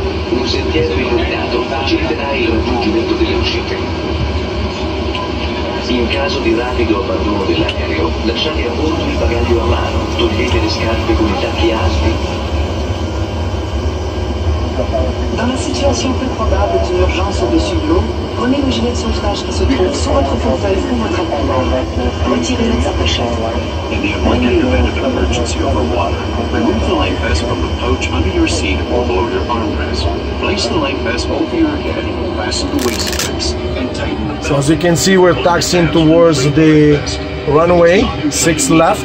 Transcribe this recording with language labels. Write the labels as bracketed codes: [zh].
[it] Un sentiero illuminato faciliterà il raggiungimento delle uscite. In caso di rapido abbandono dell'aereo, lasciate a bordo il bagaglio a mano, togliete le scarpe con i tacchi alti. [fr] Dans la situation peu probable d'une urgence au-dessus de l'eau, prenez le gilet de sauvetage qui se trouve sous votre pantalon ou votre appareil. Retirez votre pochette. [en] In the immediate event of an emergency over water, remove the life vest from the pouch under your seat or below your armrest. Place the life vest over your head, fasten the waist clips, and tighten the belt. So as you can see, we're taxiing towards the runway, 6 left.